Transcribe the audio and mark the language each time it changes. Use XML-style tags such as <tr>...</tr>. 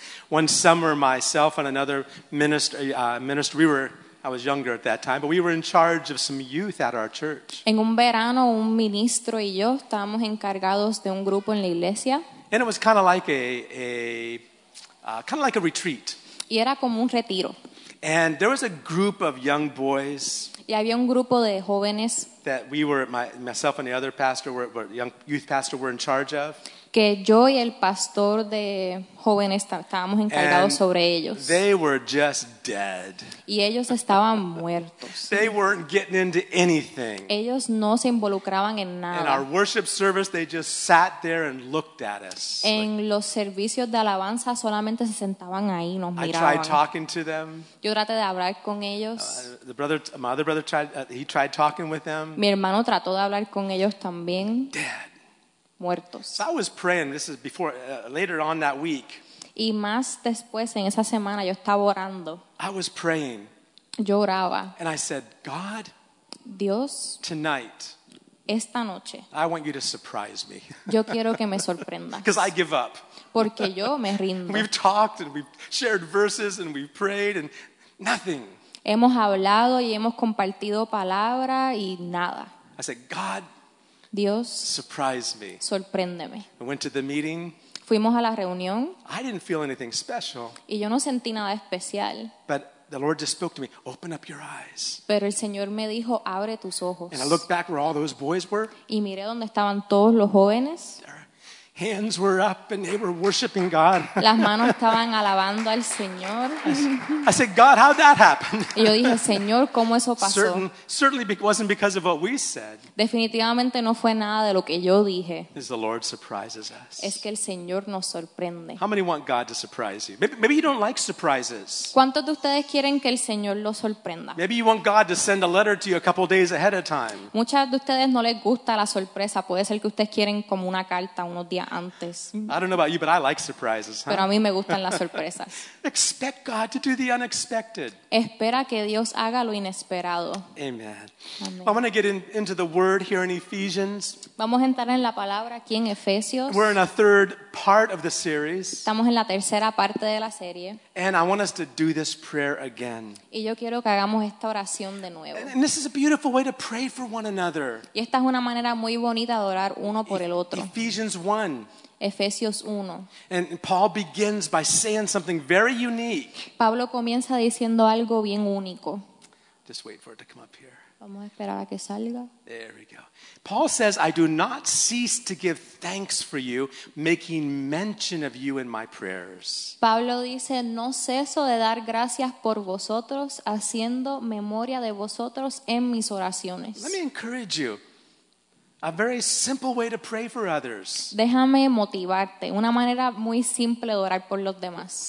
<en>One summer, myself and another minister, we were I was younger at that time, but we were in charge of some youth at our church.</en> <es>En un verano, un ministro y yo estábamos encargados de un grupo en la iglesia.</es> <en>And it was kind of like a retreat.</en> <es>Y era como un retiro.</es> <en>And there was a group of young boys.</en> <es>Y había un grupo de jóvenes.</es> <en>That we were myself and the other pastor were young youth pastor were in charge of.</en> <es>Que yo y el pastor de jóvenes estábamos encargados sobre ellos.</es> <en>They were just dead.</en> <es>Y ellos estaban muertos.</es> <en>They weren't getting into anything.</en> <es>Ellos no se involucraban en nada.</es> <en>In our worship service, they just sat there and looked at us.</en> <es>En like, los servicios de alabanza solamente se sentaban ahí, nos miraban.</es> <en>I tried talking to them.</en> <es>Yo traté de hablar con ellos.</es> <en>My other brother tried talking with them.</en> <es>Mi hermano trató de hablar con ellos también.</es> <en>Dead.</en> <es>Muertos.</es> <en>So I was praying, this is before, later on that week.</en> <es>Y más después, en esa semana, yo estaba orando.</es> <en>I was praying.</en> <es>Yo oraba.</es> <en>And I said, God,</en> <es>Dios,</es> <en>tonight,</en> <es>esta noche,</es> <en>I want you to surprise me.</en> <es>Yo quiero que me sorprendas.</es> <en>Because I give up.</en> <es>Porque yo me rindo.</es> <en>We've talked and we've shared verses and we've prayed and nothing.</en> <es>Hemos hablado y hemos compartido palabra y nada.</es> <en>I said, God,</en> <es>Dios,</es> <en>surprise me.</en> <es>Sorpréndeme.</es> <en>I went to the meeting.</en> <es>Fuimos a la reunión.</es> <en>I didn't feel anything special.</en> <es>Y yo no sentí nada especial.</es> <en>But the Lord just spoke to me, open up your eyes.</en> <es>Pero el Señor me dijo, abre tus ojos.</es> <en>And I looked back where all those boys were.</en> <es>Y miré donde estaban todos los jóvenes.</es> <en>Their hands were up and they were worshiping God.</en> <es>Las manos estaban alabando al Señor.</es> <en>I said, God, how'd that happen?</en> <es>Y yo dije, Señor, ¿cómo eso pasó?</es> <en>Certainly it wasn't because of what we said.</en> <es>Definitivamente no fue nada de lo que yo dije.</es> <en>Is the Lord surprises us.</en> <es>Es que el Señor nos sorprende.</es> <en>How many want God to surprise you? Maybe you don't like surprises.</en> <es>¿Cuántos de ustedes quieren que el Señor los sorprenda?</es> <en>Maybe you want God to send a letter to you a couple days ahead of time.</en> <es>Muchas de ustedes no les gusta la sorpresa. Puede ser que ustedes quieren como una carta unos días antes.</es> <en>I don't know about you, but I like surprises. Huh?</en> <es>Pero a mí me gustan las sorpresas.</es> <en>Expect God to do the unexpected.</en> <es>Espera que Dios haga lo inesperado.</es> <en>Amen. I want to get into the word here in Ephesians.</en> <es>Vamos a entrar en la palabra aquí en Efesios.</es> <en>We're in a third part of the series.</en> <es>Estamos en la tercera parte de la serie.</es> <en>And I want us to do this prayer again.</en> <es>Y yo quiero que hagamos esta oración de nuevo.</es> <en>And this is a beautiful way to pray for one another.</en> <es>Y esta es una manera muy bonita de orar uno por el otro.</es> <en>Ephesians 1.</en> <es>Efesios 1.</es> <en>And Paul begins by saying something very unique.</en> <es>Pablo comienza diciendo algo bien único.</es> <en>Just wait for it to come up here.</en> <es>Vamos a esperar a que salga.</es> <en>There we go. Paul says, I do not cease to give thanks for you, making mention of you in my prayers.</en> <es>Pablo dice, no ceso de dar gracias por vosotros, haciendo memoria de vosotros en mis oraciones.</es> <en>Let me encourage you. A very simple way to pray for others.</en> <es>Déjame motivarte. Una manera muy simple de orar por los demás.</es>